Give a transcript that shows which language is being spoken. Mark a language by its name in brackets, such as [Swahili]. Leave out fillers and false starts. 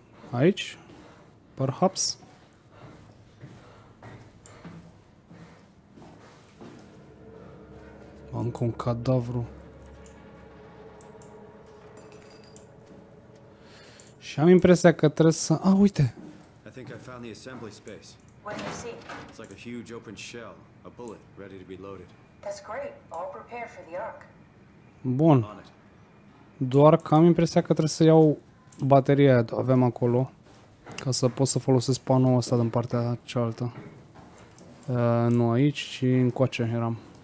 [Romanian] Aici? [English] Perhaps? [Romanian] Încă un cadavru. Și am impresia că trebuie să... Ah, uite! [English] I think I found the assembly space. What do you see? It's like a huge open shell, a bullet ready to be loaded. That's great. All prepared for the arc. [Romanian] Bun. Doar că am impresia că trebuie să iau bateria aia, avem acolo, ca să pot să folosesc panoul ăsta din partea cealaltă. Nu aici, ci încoace eram.